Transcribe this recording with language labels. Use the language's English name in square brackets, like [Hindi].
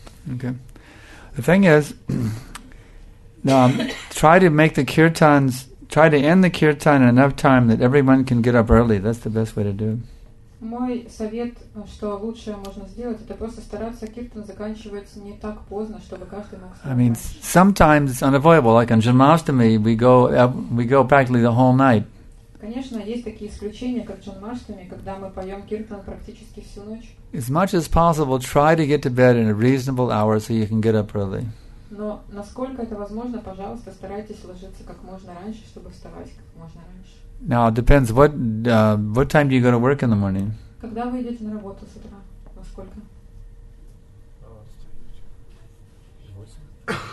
[English] Okay. The thing is, try to make the kirtans, try to end the kirtan in enough time that everyone can get up early. That's the best way to do it. [Russian] Мой совет, что лучшее можно сделать, это просто стараться киртан заканчивать не так поздно, чтобы каждый мог встать. [English] I mean, sometimes it's unavoidable. Like on Janmashtami, we go practically the whole night. [Russian] Конечно, есть такие исключения, как Джанмаштами, когда мы поем киртан практически всю ночь. [English] As much as possible, try to get to bed in a reasonable hour so you can get up early. [Russian] Но насколько это возможно, пожалуйста, старайтесь ложиться как можно раньше, чтобы вставать как можно раньше. [English] Now it depends. What time do you go to work in the morning? [Russian] Когда вы идете на работу с утра? Во сколько?